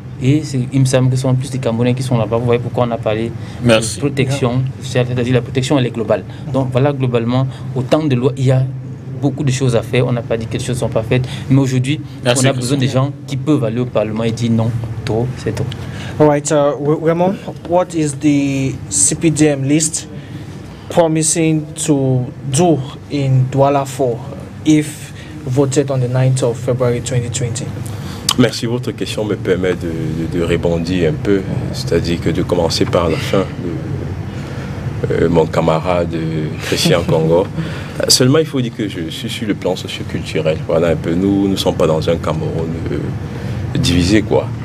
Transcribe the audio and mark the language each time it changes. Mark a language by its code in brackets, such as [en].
[fr] Et c'est, il me semble que ce sont plus des Camerounais qui sont là-bas. Vous voyez pourquoi on a parlé Merci. De protection, c'est-à-dire la protection elle est globale. Donc voilà, globalement, autant de lois, il y a beaucoup de choses à faire. On n'a pas dit que les choses ne sont pas faites, mais aujourd'hui, Merci. On a besoin des gens qui peuvent aller au Parlement et dire non, trop, c'est trop. [en] Right, Raymond, what is the CPDM list promising to do in Douala 4 if voted on the 9th of February 2020? [fr] Merci, votre question me permet de rebondir un peu, c'est-à-dire que de commencer par la fin de mon camarade Christian Congo. Seulement, il faut dire que je suis sur le plan socioculturel. Voilà un peu, nous ne sommes pas dans un Cameroun divisé, quoi.